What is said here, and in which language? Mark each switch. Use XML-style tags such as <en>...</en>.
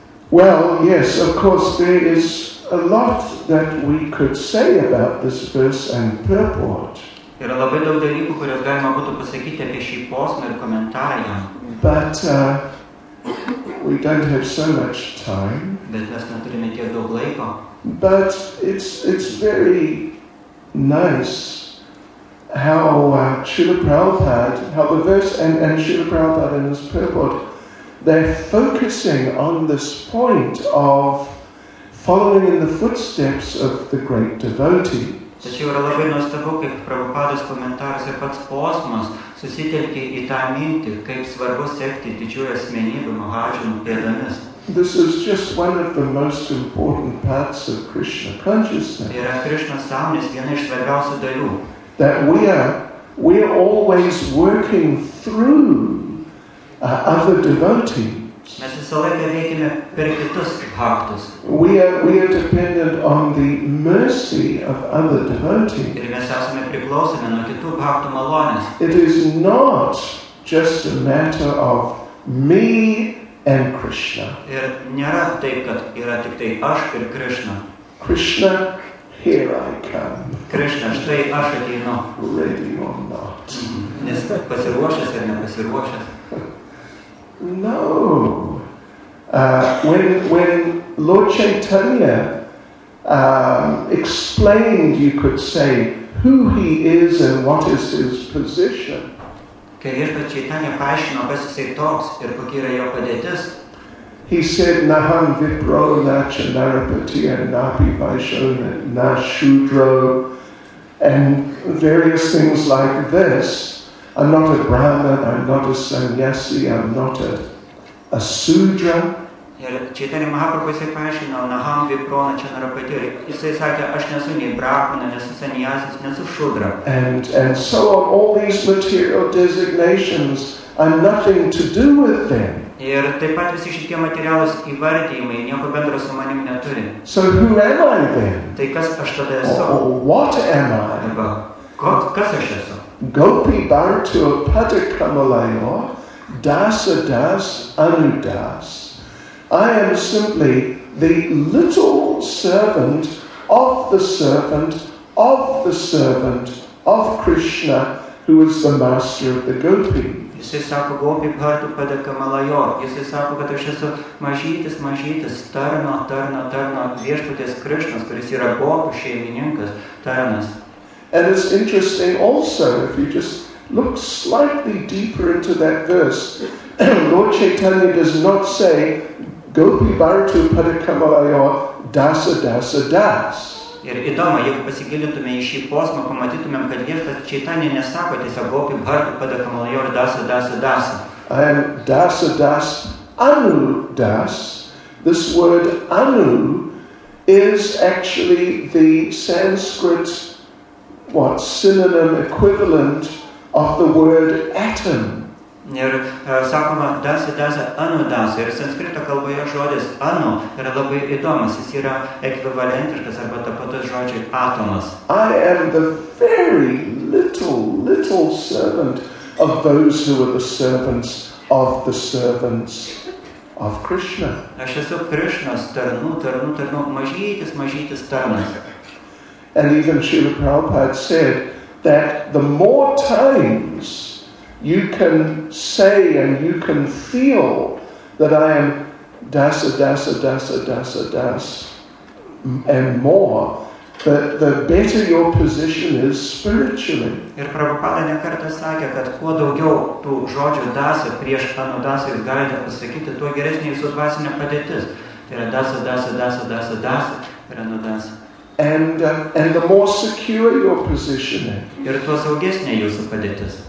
<en>Well, yes, of course there is a lot that we could say about this verse and purport.</en> <lt>Yra labai daug dalykų, kuriuos galima būtų pasakyti apie šį posmą ir komentarą jam.</lt> <en>But we don't have so much time.</en> <lt>Bet mes neturime tiek daug laiko.</lt> <en>But it's very nice how Srila Prabhupada, how the verse and Srila Prabhupada in this purport, they're focusing on this point of following in the footsteps of the great devotee.</en> <lt>Tačiau yra labai nuostabu, kaip Prabhupados komentaras ir pats posmas susitelkė į tą mintį, kaip svarbu sekti didžiųjų asmenybių mahadžanų pėdomis.</lt> <en>This is just one of the most important parts of Krishna consciousness.</en> <lt>Yra Krishna sąmonės viena iš svarbiausių dalių.</lt> <en>That we are always working through other devotees.</en> <lt>Mes visą laiką veikime per kitus bhaktus.</lt> <en>We are dependent on the mercy of other devotees.</en> <lt>Ir mes esame priklausomi nuo kitų bhaktų malonės.</lt> <en>It is not just a matter of me and Krishna.</en> <lt>Ir nėra taip, kad yra tik tai aš ir Krishna.</lt> <en>Krishna, here I come.</en> <lt>Krishna, štai aš ateinu.</lt> <en>Ready or not.</en> <lt>Nes pasiruošęs ar nepasiruošęs.</lt> <en>No. When Lord Chaitanya explained, you could say, who he is and what is his position.</en> <lt>Kai Viešpats Chaitanya paaiškino, kas jisai toks ir kokia yra jo padėtis.</lt> <en>He said,</en> <sa>naham vipro na cha narapatiya napi vaishona na shudro.</sa> <en>And various things like this. I'm not a Brahman, I'm not a sannyasi, I'm not a sudra.</en> <lt>Ir Chaitanya Mahaprabhu jisai paaiškino,</lt> <sa>naham viprona cha narapatiya.</sa> <lt>Jisai sakė, aš nesu nei brahmana, nesu sannyasis, nesu šudra.</lt> <en>And so on, all these material designations are nothing to do with them.</en> <lt>Ir taip pat visi šitie materialūs įvardijimai nieko bendro su manim neturi.</lt> <en>So who am I then?</en> <lt>Tai kas aš tada esu?</lt> <en>What am I?</en> <lt>Arba, kas aš esu?</lt> <sa>Gopi Bhartu Padakamalayo Dasa Das Anudas.</sa> <en>I am simply the little servant of the servant of the servant of Krishna, who is the master of the Gopi.</en> <lt>Jisai sako,</lt> <sa>Gopi Bhartu Padakamalayo.</sa> <lt>Jisai sako, kad aš esu mažytis, mažytis, tarna, tarna, tarna, viešpaties Krishnas, kuris yra Gopi šeimininkas, tarnas.</lt> <en>And it's interesting also, if you just look slightly deeper into that verse, Lord Chaitanya does not say,</en> <sa>Gopi Bhartu Padakamalayo Dasa Dasa Das.</sa> <lt>Ir įdomu, jeigu pasigilintume į šį posmą, pamatytumėm, kad viešpats Čaitanja nesako tiesiog</lt> <sa>Gopi Bhartu Padakamalayo Dasa Dasa</sa> <lt>Dasa.</lt> <en>I am</en> <sa>Dasa Das Anu Das.</sa> <en>This word Anu is actually the Sanskrit synonym equivalent of the word atom.</en> <lt>Ir sakoma</lt> <sa>dasa dasa anu dasa.</sa> <lt>Ir sanskrito kalboje žodis anu yra labai įdomas. Jis yra ekvivalentiškas arba tapatus žodžiai atomas.</lt> <en>I am the very little, little servant of those who are the servants of the servants of Krishna.</en> <lt>Aš esu Krishnas tarnu, tarnu, tarnu, mažytis, mažytis tarnas.</lt> <en>And even Srila Prabhupada said that the more times you can say and you can feel that I am dasa, dasa, dasa, dasa, dasa, and more, the better your position is spiritually.</en> <lt>Ir Prabhupada ne kartą sakė, kad kuo daugiau tų žodžių dasa prieš anu dasa ir galite pasakyti, tuo geresnė jūsų dvasinė padėtis. Tai yra</lt> <sa>dasa, dasa, dasa, dasa, dasa,</sa> <lt>ir</lt> <sa>anu dasa.</sa> <en>And the more secure your position is.</en>